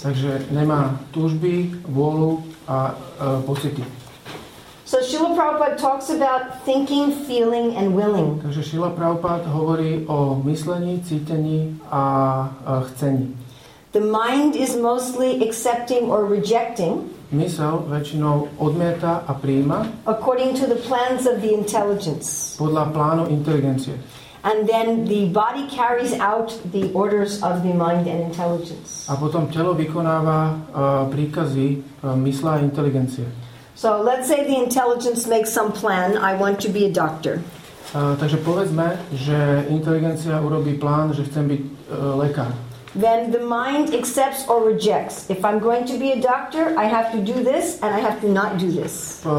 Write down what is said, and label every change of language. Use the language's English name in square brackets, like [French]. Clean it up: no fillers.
[Slovak] Takže nemá túžby, vôľu a pocity. [English] So Srila Prabhupada talks about thinking, feeling and willing. [Slovak] Takže Srila Prabhupada hovorí o myslení, cítení a chcení. [English] The mind is mostly accepting or rejecting. [Slovak] Mysel väčšinou odmieta a prijíma. [English] According to the plans of the intelligence. [Slovak] Podľa plánu inteligencie. [English] And then the body carries out the orders of the mind and intelligence. [Slovak] A potom telo vykonáva príkazy mysle a inteligencie. [English] So let's say the intelligence makes some plan, I want to be a doctor. [Slovak] Takže povedzme, že inteligencia urobí plán, že chcem byť lekár. [English] Then the mind accepts or rejects. If I'm going to be a doctor, I have to do this and I have to not do this.